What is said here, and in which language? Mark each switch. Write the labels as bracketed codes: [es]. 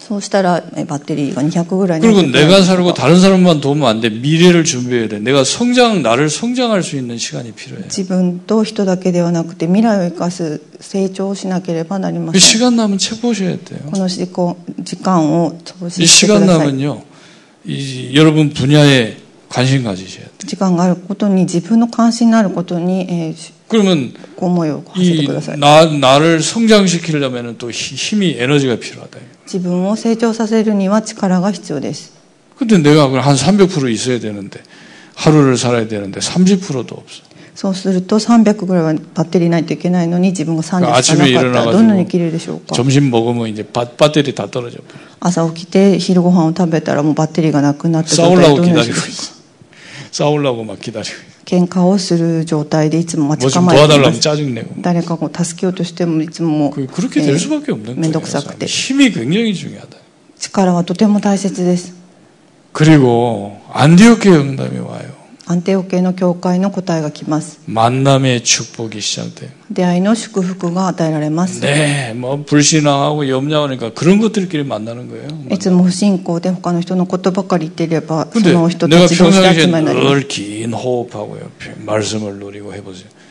[ja] そうしたらバッテリーが200ぐらいに。 [ko] 그리고내가살고다른사람만도우면안돼。 미래를준비해야돼。 내가성장나를성장할수있는시간이필요해。 [ja] 自分と人だけではなくて未来を生かす成長しなければなりません。 [ko] 시간남은책보셔야돼요。 [ja] この時間を潰してください。 [ko] 시간남은요이여러분분야에관심가지셔야돼。 [ja] 時間があることに自分の関心のあることに。 [ko] 그러면이나를성장시키려면또힘이에너지가필요하다 [ja] 自分を成長させるには力が必要です。 [ko] 근데내가그럼한 300% 있어야되는데하루를살아야되는데 30% 도없어 [ja] そうすると300ぐらいはバッテリーないといけないのに自分が30しかなかったらどのように生きるでしょうか。 [ko] 점심먹으면이제 [ja] バッテリーだ [ko] 떨어져버 [ja] 려朝起きて昼ご飯を食べたらもうバッテリーがなくなって [ko] 싸우려고기다리고싸우려고막기다리고 [ja] 喧嘩をする状態でいつも待ち構えています。誰かを助けようとしてもいつも面倒くさくて。 [ko] 힘이굉장히중요하다。 [ja] 力はとても大切です。 [ko] 그리고안디옥의응답이와요。 [ja] 안디옥の教会の答えがきます。 [ko] 만남의축복이시작돼。 [ja] 出会いの祝福が与えられます。 [ko] 네뭐불신앙하고염려하니까그런것들끼리만나는거예요。 [ja] いつも不信仰で他の人のことばかり言っていれば、その人たちが集まります。 [ko] 내가평상시에늘긴호흡하고요말씀을누리고해보세요。